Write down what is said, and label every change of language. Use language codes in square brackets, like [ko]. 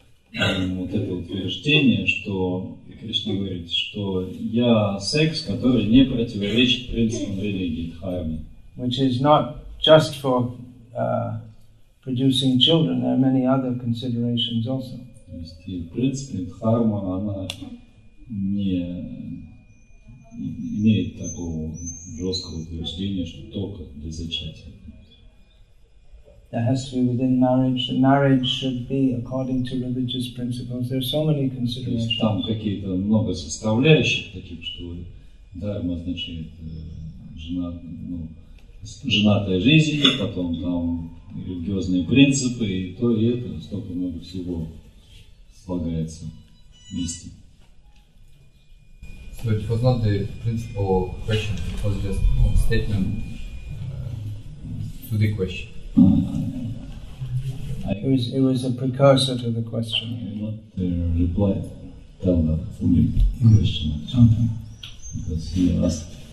[ru] Вот это утверждение, что Кришна говорит, что я секс, который не противоречит принципам религии, дхарме. [en] Which is not just for producing children, there are many other considerations also. [ru] То есть, в принципе, дхарма, она не имеет такого жесткого утверждения, что только для зачатия. [en] There has to be within marriage. The marriage should be according to religious principles. There are so many considerations. [ru] Там какие-то много составляющих таких, что дарма означает женатая жизнь, потом там религиозные принципы и то и это, столько много всего слагается вместе. [en] So it was not the principle question. It was just statement to the question. It was a precursor to the question. Not the reply. Tell that for me. Question. Because he asked.